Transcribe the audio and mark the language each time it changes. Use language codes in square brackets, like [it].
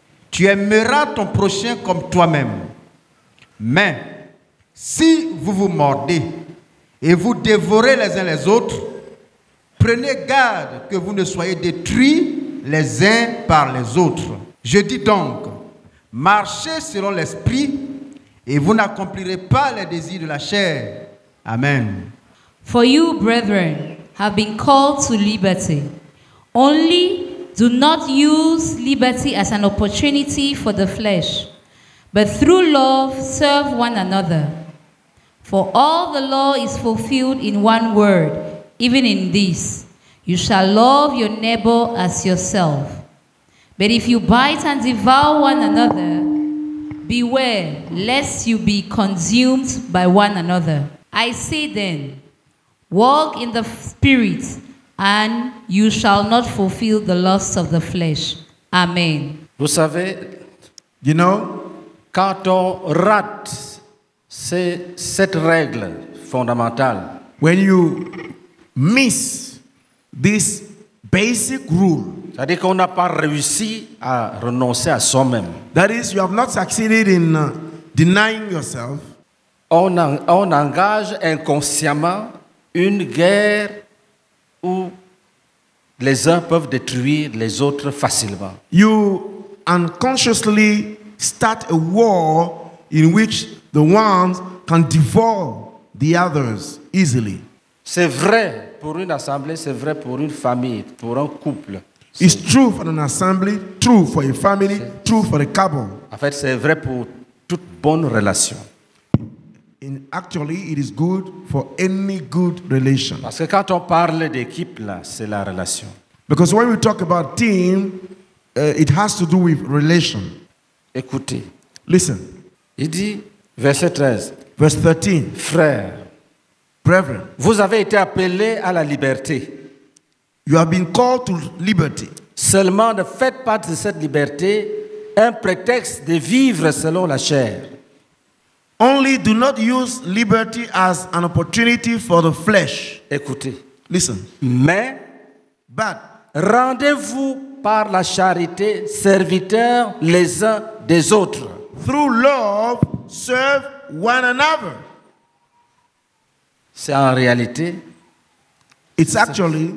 [fr] Tu aimeras ton prochain comme toi-même. Mais si vous vous mordez et vous dévorez les uns les autres, prenez garde que vous ne soyez détruits les uns par les autres. Je dis donc, marchez selon l'esprit et vous n'accomplirez pas les désirs de la chair. Amen. [en] For you, brethren, have been called to liberty. Only do not use liberty as an opportunity for the flesh, but through love serve one another. For all the law is fulfilled in one word, even in this: you shall love your neighbor as yourself. But if you bite and devour one another, beware lest you be consumed by one another. I say then, walk in the Spirit, and you shall not fulfill the lusts of the flesh. Amen. [fr] Vous savez, [en] you know, [fr] quand on rate c'est cette règle fondamentale, [en] when you miss this basic rule, [fr] c'est-à-dire qu'on n'a pas réussi à renoncer à soi-même. [en] That is, you have not succeeded in denying yourself. [fr] On engage inconsciemment une guerre où les uns peuvent détruire les autres facilement. [en] You unconsciously start a war in which the ones can devour the others easily. [fr] C'est vrai pour une assemblée, c'est vrai pour une famille, pour un couple. [en] It's true for an assembly, true for a family, true for a couple. [fr] En fait, c'est vrai pour toute bonne relation. [en] And actually, it is good for any good relation. [fr] Parce que quand on parle d'équipe là, c'est la relation. [en] Because when we talk about team, it has to do with relation. [fr] Écoutez. [en] Listen. [fr] Il dit, verset 13. [en] Verse 13. [fr] Frères. [en] Brethren. [fr] Vous avez été appelés à la liberté. [en] You have been called to liberty. [fr] Seulement ne faites pas de cette liberté un prétexte de vivre selon la chair. [en] Only do not use liberty as an opportunity for the flesh. [fr] Écoutez. [en] Listen. [fr] Mais, [en] but, [fr] rendez-vous par la charité serviteurs les uns des autres. [en] Through love, serve one another. [fr] C'est en réalité. [en] It's actually